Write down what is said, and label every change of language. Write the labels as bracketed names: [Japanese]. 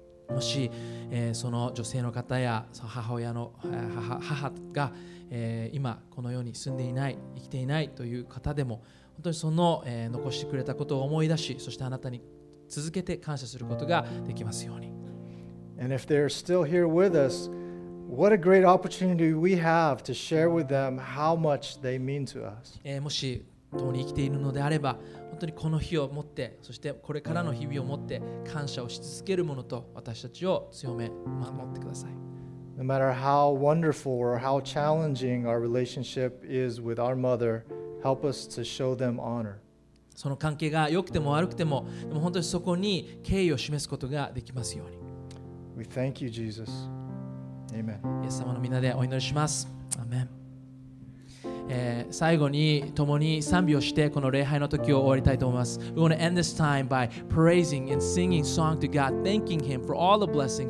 [Japanese] もし、その女性の方やその母親の、母が、今この世に住んでいない生きていないという方でも本当にその、残してくれたことを思い出しそしてあなたに続けて感謝することができますように [English] And if they're still here with us, what a great opportunity we have to share with them how much they mean to us. [Japanese] もし共に生きているのであれば本当にこの日をもってそしてこれからの日々をもって感謝をし続けるものと私たちを強め守ってください。 [English] No matter how wonderful or how challenging our relationship is with our mother, help us to show them honor. [Japanese] その関係が良くても悪くても、でも本当にそこに敬意を示すことができますように。 [English] We thank you, Jesus. Amen. [Japanese] イエス様の皆でお祈りします。アメン。最後に共に賛美をしてこの礼拝の時を終わりたいと思います。 [English] We want to end this time by praising and singing song to God, thanking Him for all the blessings.